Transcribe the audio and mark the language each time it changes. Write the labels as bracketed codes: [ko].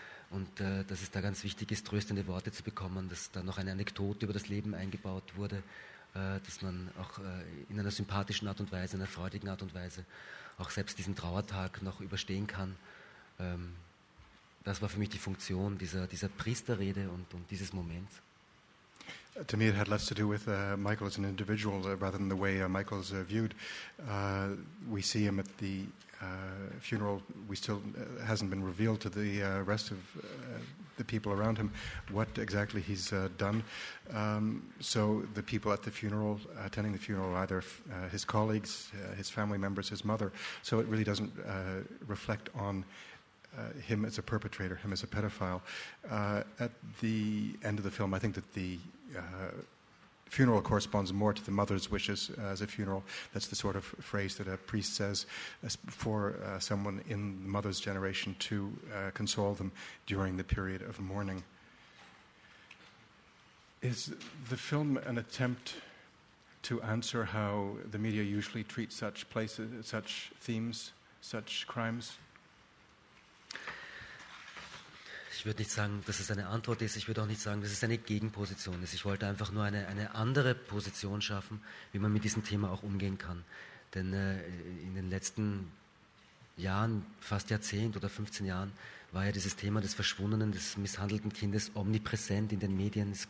[de] Und dass es da ganz wichtig ist, tröstende Worte zu bekommen, dass da noch eine Anekdote über das Leben eingebaut wurde, dass man auch in einer sympathischen Art und Weise, in einer freudigen Art und Weise, auch selbst diesen Trauertag noch überstehen kann. Das war für mich die Funktion dieser Priesterrede und dieses Moments. [en] To me, it had less to do with Michael as an individual rather than the way Michael's viewed. We see him at the funeral. We still hasn't been revealed to the rest of the people around him what exactly he's done. So the people at the funeral, attending the funeral, either his colleagues, his family members, his mother. So it really doesn't reflect on him as a perpetrator, him as a pedophile. At the end of the film, I think that the funeral corresponds more to the mother's wishes as a funeral. That's the sort of phrase that a priest says for someone in the mother's generation to console them during the period of mourning. Is the film an attempt to answer how the media usually treat such places, such themes, such crimes? [de] Ich würde nicht sagen, dass es eine Antwort ist. Ich würde auch nicht sagen, dass es eine Gegenposition ist. Ich wollte einfach nur eine andere Position schaffen, wie man mit diesem Thema auch umgehen kann. Denn in den letzten Jahren, fast Jahrzehnt oder 15 Jahren, war ja dieses Thema des verschwundenen, des misshandelten Kindes omnipräsent in den Medien.